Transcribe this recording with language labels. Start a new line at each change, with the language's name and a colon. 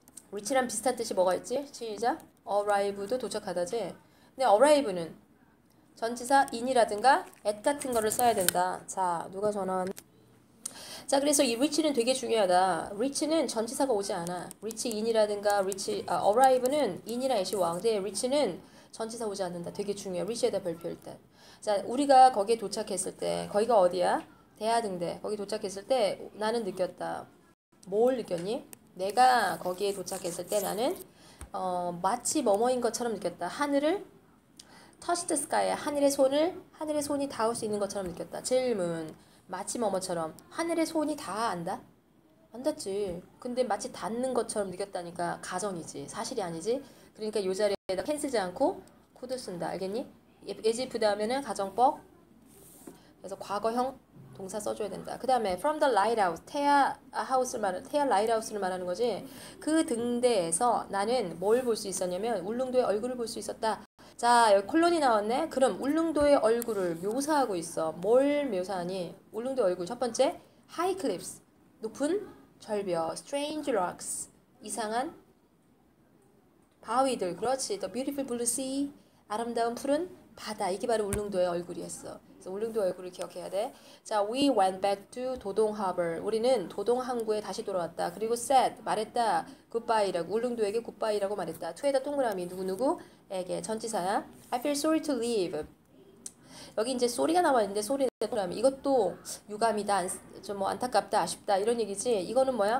Korean: reach랑 비슷한 뜻이 뭐가 있지? 시작. arrive도 도착하다지. 근데 arrive는 전치사 in이라든가 at 같은 거를 써야 된다. 자, 누가 전화 왔나? 자, 그래서 이 reach는 되게 중요하다. reach는 전치사가 오지 않아. reach in이라든가 reach arrive는 in이랑 at이 왕대. reach는 전치사 오지 않는다. 되게 중요해. reach에다 별표 일단. 자, 우리가 거기에 도착했을 때, 거기가 어디야? 대하등대. 거기 도착했을 때 나는 느꼈다. 뭘 느꼈니? 내가 거기에 도착했을 때 나는 마치 뭐뭐인 것처럼 느꼈다.
English: 하늘을 touch the sky.
Korean: 하늘의 손이 닿을 수 있는 것처럼 느꼈다. 질문. 마치 뭐뭐처럼 하늘의 손이 닿아 안다? 안 닿지. 근데 마치 닿는 것처럼 느꼈다니까 가정이지. 사실이 아니지. 그러니까 이 자리에다 캔 쓰지 않고 could 쓴다. 알겠니? as if 다음에는 가정법 그래서 과거형 동사 써줘야 된다. 그 다음에 from the lighthouse 태아 라이트하우스를 말하는 거지. 그 등대에서 나는 뭘볼수 있었냐면 울릉도의 얼굴을 볼수 있었다. 자, 여기 콜론이 나왔네. 그럼 울릉도의 얼굴을 묘사하고 있어. 뭘 묘사하니? 울릉도 얼굴 첫 번째
English: high cliffs
Korean: 높은 절벽
English: strange rocks
Korean: 이상한 바위들. 그렇지.
English: the beautiful blue sea
Korean: 아름다운 푸른 바다. 이게 바로 울릉도의 얼굴이었어. 그래서 울릉도 얼굴을 기억해야 돼.
English: 자, we went back to 도동 harbor.
Korean: 우리는 도동 항구에 다시 돌아왔다. 그리고 said, 말했다. goodbye라고. 울릉도에게 goodbye라고 말했다. 투에다 동그라미. 누구누구에게. 전치사야.
English: I feel sorry to leave.
Korean: 여기 이제 sorry가 나왔는데, sorry 동그라미. 이것도 유감이다. 좀뭐 안타깝다. 아쉽다. 이런 얘기지. 이거는 뭐야?